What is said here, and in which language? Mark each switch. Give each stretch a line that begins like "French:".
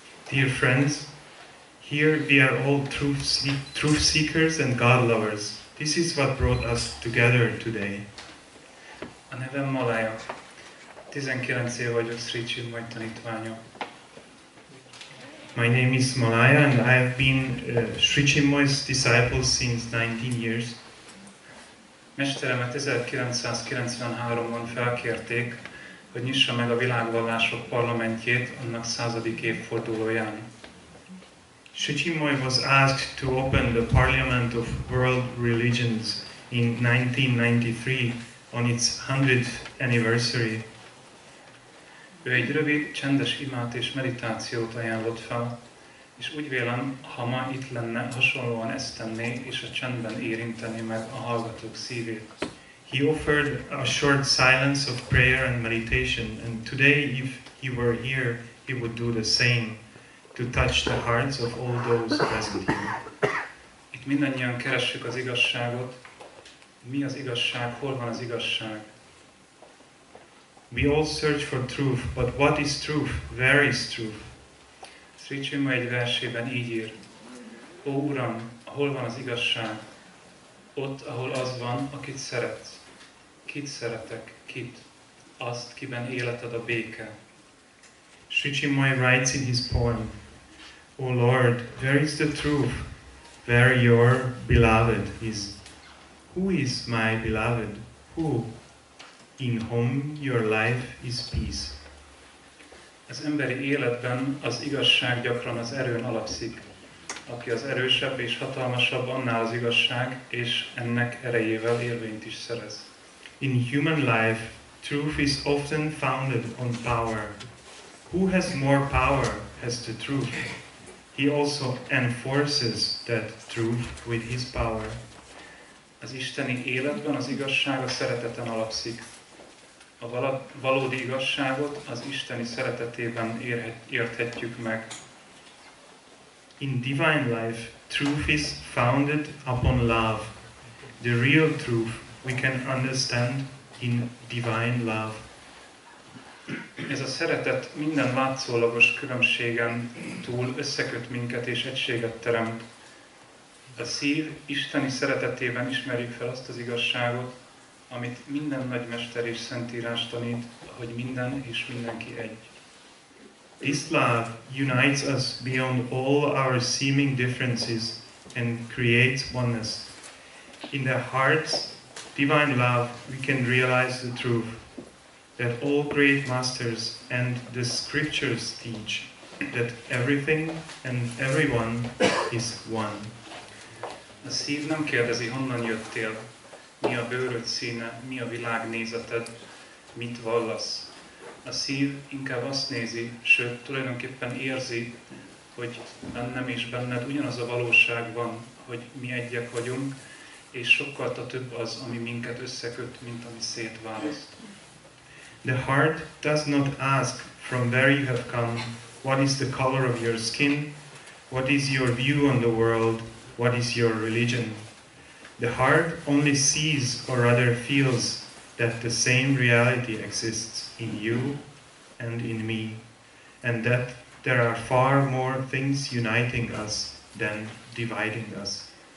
English: Dear friends, here we are all truth seekers and God lovers. This is what brought us together today.
Hungarian: A nevem Malaya. 19 éve vagyok, Szécsi majd tanítványa.
English: My name is Malaya and I have been Sri Chinmoy's disciple since 19 years.
Hungarian: Mesteremet 1993-ban felkérték, hogy nyissa meg a világvallások parlamentjét annak 100. évfordulóján.
English: Sri Chinmoy was asked to open the Parliament of World Religions in 1993 on its 100th anniversary.
Hungarian: Ő egy rövid, csendes imát és meditációt ajánlott fel, és úgy vélem, ha ma itt lenne, hasonlóan ezt tenné, és a csendben érinteni meg a hallgatók szívét.
English: He offered a short silence of prayer and meditation, and today, if he were here, he would do the same, to touch the hearts of all those present here.
Hungarian: Itt mindannyian keressük az igazságot. Mi az igazság? Hol van az igazság?
English: We all search for truth, but what is truth? Where is truth?
Hungarian: Sri Chinmoy egy versében így ír. Ó Uram, hol van az igazság? Ott, ahol az van, akit szeretsz. Kit szeretek? Kit? Azt, kiben életed a béke.
English: Sri Chinmoy writes in his poem, O Lord, where is the truth? Where your beloved is? Who is my beloved? Who? In whom your life is peace.
Hungarian: Az emberi életben az igazság gyakran az erőn alapszik. Aki az erősebb és hatalmasabb, annál az igazság, és ennek erejével érvényt is szerez.
English: In human life, truth is often founded on power. Who has more power has the truth. He also enforces that truth with his power.
Hungarian: az isteni életben az igazság a szereteten alapszik. A valódi igazságot az isteni szeretetében érthetjük meg.
English: In divine life, truth is founded upon love. The real truth we can understand in divine love.
Hungarian: Ez a szeretet minden látszólagos különbségen túl összeköt minket és egységet teremt. A szív isteni szeretetében ismerjük fel azt az igazságot, amit minden nagymester és szentírás tanít, hogy minden és mindenki egy.
English: This love unites us beyond all our seeming differences and creates oneness. In the heart's divine love we can realize the truth that all great masters and the scriptures teach that everything and everyone is one.
Hungarian: A szív nem kérdezi, honnan jöttél, mi a bőröd színe, mi a világnézeted, mit vallasz. A szív inkább azt nézi, sőt tulajdonképpen érzi, hogy bennem és benned ugyanaz a valóság van, hogy mi egyek vagyunk, és sokkal több az, ami minket összeköt, mint ami szétválaszt.
English: The heart does not ask from where you have come, what is the color of your skin, what is your view on the world, what is your religion. The heart only sees, or rather feels, that the same reality exists in you and in me, and that there are far more things uniting us than dividing us.